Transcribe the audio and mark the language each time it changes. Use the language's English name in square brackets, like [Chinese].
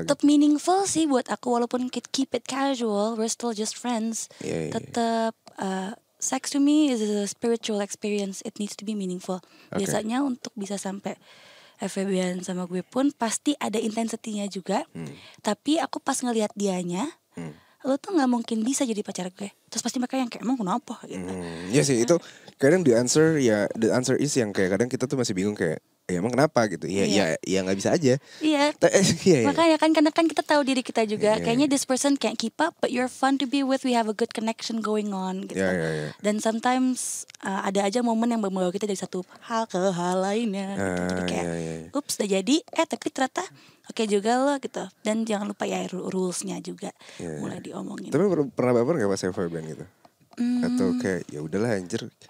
[Indonesian] Tetap gitu [English] meaningful [Indonesian] sih buat aku, walaupun [English] keep it casual, we're still just friends. Tetap sex to me is a spiritual experience, it needs to be meaningful. [Indonesian] Biasanya untuk bisa sampai FWB-an sama gue pun pasti ada intensitinya juga. Tapi aku pas ngelihat dianya, lo tuh gak mungkin bisa jadi pacar gue. Terus pasti mereka yang kayak, emang kenapa? Iya sih, itu kadang [English] the answer is [Indonesian] yang kayak kadang kita tuh masih bingung kayak, ya emang kenapa gitu? Ya gak bisa aja. Makanya kan, karena kan kita tahu diri kita juga. [English] Kayaknya this person can't keep up, but you're fun to be with, we have a good connection going on gitu. [Indonesian] Dan sometimes ada aja momen yang membawa kita dari satu hal ke hal lainnya. Ups, udah jadi. Tapi ternyata oke juga lo gitu. Dan jangan lupa ya rules-nya juga mulai diomongin. Tapi pernah baper gak pas FWB gitu? Atau kayak ya udahlah anjir.